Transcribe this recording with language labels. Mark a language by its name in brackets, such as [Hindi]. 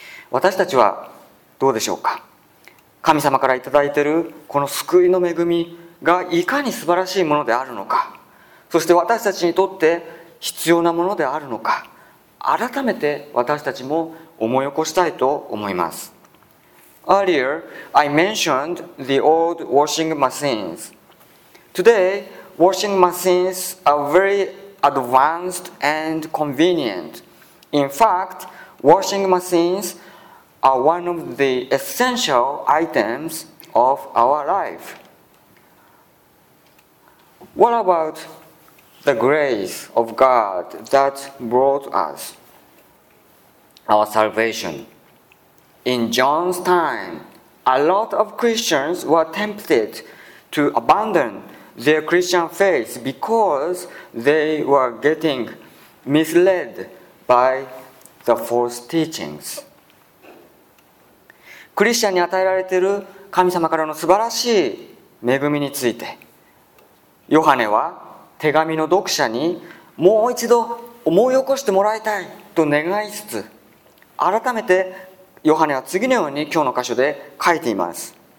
[Japanese] 私たちはどうでしょうか。神様からいただいているこの救いの恵みがいかに素晴らしいものであるのか、そして私たちにとって必要なものであるのか、改めて私たちも思い起こしたいと思います。 [English] Earlier I mentioned the old washing machines. Today washing machines are very advanced and convenient. In fact, washing machines are one of the essential items of our life. What about the grace of God that brought us our salvation? In John's time, a lot of Christians were tempted to abandon their Christian faith because they were getting misled by the false teachings. [Japanese] クリスチャンに与えられている神様からの素晴らしい恵みについて、ヨハネは手紙の読者にもう一度思い起こしてもらいたいと願いつつ、改めてヨハネは次のように今日の箇所で書いています。